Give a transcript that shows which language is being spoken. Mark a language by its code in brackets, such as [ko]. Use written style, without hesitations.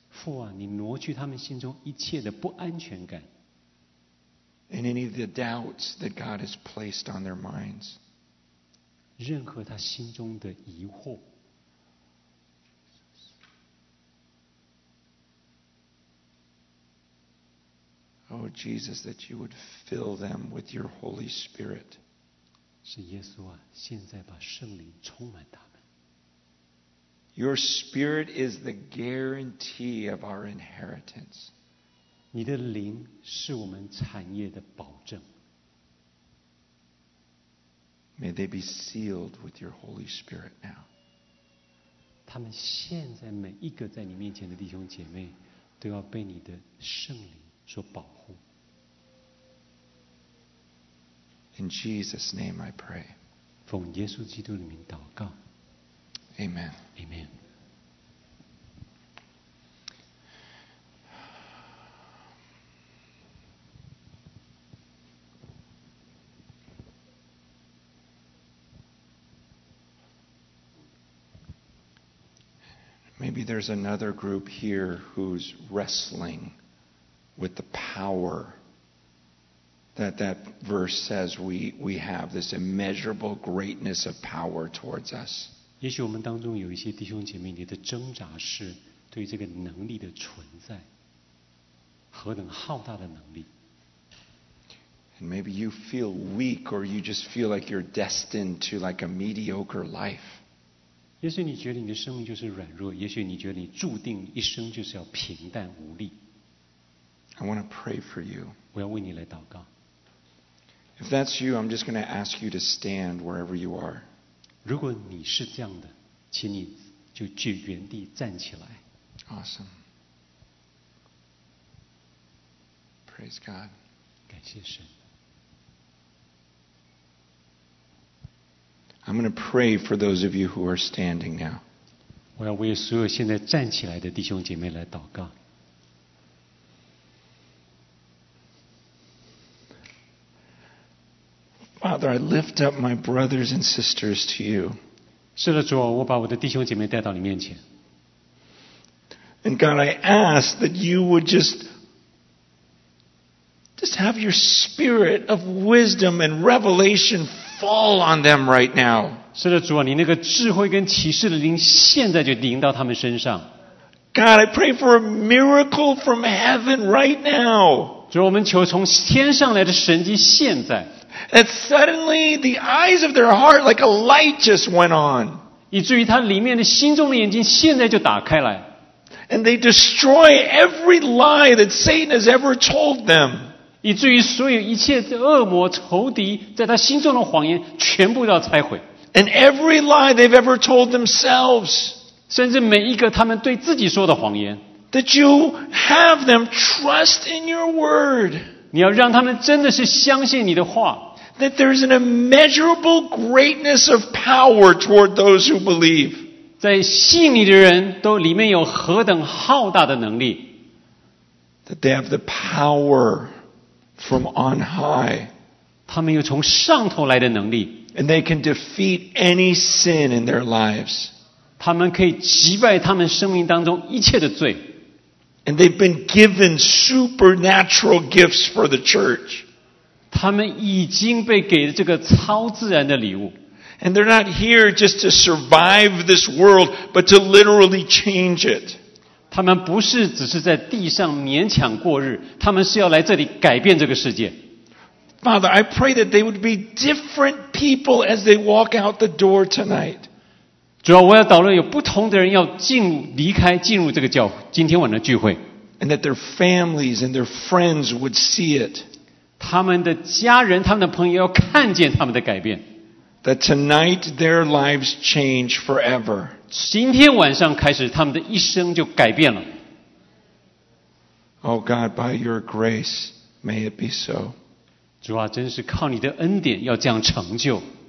[zh] 父啊，你挪去他们心中一切的不安全感。 [en] And any of the doubts that God has placed on their minds. [zh] 任何他心中的疑惑。 [en] Oh, Jesus, that you would fill them with your Holy Spirit. [zh] 是耶稣啊，现在把圣灵充满他。 [en] Your spirit is the guarantee of our inheritance. [zh] 你的灵是我们产业的保证。 [en] May they be sealed with your Holy Spirit now. [zh] 他们现在每一个在你面前的弟兄姐妹都要被你的圣灵所保护。 [en] In Jesus' name I pray. [zh] 奉耶稣基督的名祷告。 [en] Amen. Amen. Maybe there's another group here who's wrestling with the power that verse says we have, this immeasurable greatness of power towards us. [zh] 也许我们当中有一些弟兄姐妹，你的挣扎是对这个能力的存在，何等浩大的能力。 [en] And maybe you feel weak, or you just feel like you're destined to like a mediocre life. [zh] 也许你觉得你的生命就是软弱，也许你觉得你注定一生就是要平淡无力。 [en] I want to pray for you. [zh] 我要为你来祷告。 [en] If that's you, I'm just going to ask you to stand wherever you are. [zh] 如果你是这样的，请你就去原地站起来。 [en] Awesome. Praise God. [zh] 感谢神。 [en] I'm going to pray for those of you who are standing now. [zh] 我要为所有现在站起来的弟兄姐妹来祷告。 [en] Father, I lift up my brothers and sisters to you. [zh] 是的，主，我把我的弟兄姐妹带到你面前。 [en] And God, I ask that you would just have your spirit of wisdom and revelation fall on them right now. [zh] 是的，主，你那个智慧跟启示的灵现在就临到他们身上。 [en] God, I pray for a miracle from heaven right now. [zh] 主，我们求从天上来的神迹现在。 [en] That suddenly the eyes of their heart like a light just went on. [zh] 以至于他里面的心中的眼睛现在就打开来。 [en] And they destroy every lie that Satan has ever told them. [zh] 以至于所有一切恶魔仇敌在他心中的谎言全部要拆毁。 [en] And every lie they've ever told themselves. [zh] 甚至每一个他们对自己说的谎言。 [en] That you have them trust in your word. [zh] 你要让他们真的是相信你的话。 [en] That there is an immeasurable greatness of power toward those who believe. [zh] 在信你的人都里面有何等浩大的能力。 [en] That they have the power from on high. [zh] 他们有从上头来的能力。 [en] And they can defeat any sin in their lives. [zh] 他们可以击败他们生命当中一切的罪。 [en] And they've been given supernatural gifts for the church. [zh] 他们已经被给了这个超自然的礼物。 [en] And they're not here just to survive this world, but to literally change it. [zh] 他们不是只是在地上勉强过日，他们是要来这里改变这个世界。 [en] Father, I pray that they would be different people as they walk out the door tonight. [zh] 主要我要祷告有不同的人要进离开进入这个教会今天晚上的聚会 [en] and that their families and their friends would see it [zh] 他们的家人他们的朋友要看见他们的改变 [en] that tonight their lives change forever [zh] 今天晚上开始他们的一生就改变了 [en] Oh God, by your grace, may it be so [zh] 主啊真是靠你的恩典要这样成就